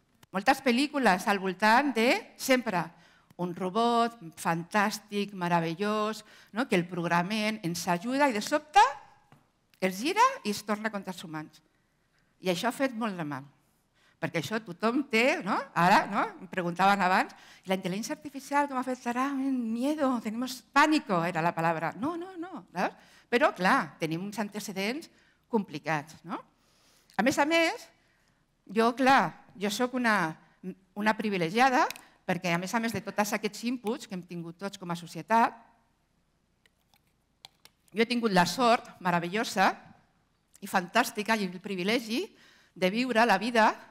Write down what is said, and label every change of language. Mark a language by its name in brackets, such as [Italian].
[Catalan] Moltes pel·lícules al voltant de, sempre, un robot fantàstic, meravellós, no? Que el programen ens ajuda i de sobte es gira i es torna contra els humans. I això ha fet molt de mal. Perquè això tothom té, no? Ara, no? Em preguntaven abans, la intel·ligència artificial com afectarà? [Spanish] Miedo, tenemos pánico, [Catalan] era la paraula. No. ¿Saps? Però, clar, tenim uns antecedents complicats. No? A més, jo, clar, jo sóc una privilegiada, perquè a més de tots aquests inputs que hem tingut tots com a societat, jo he tingut la sort meravellosa i fantàstica i el privilegi de viure la vida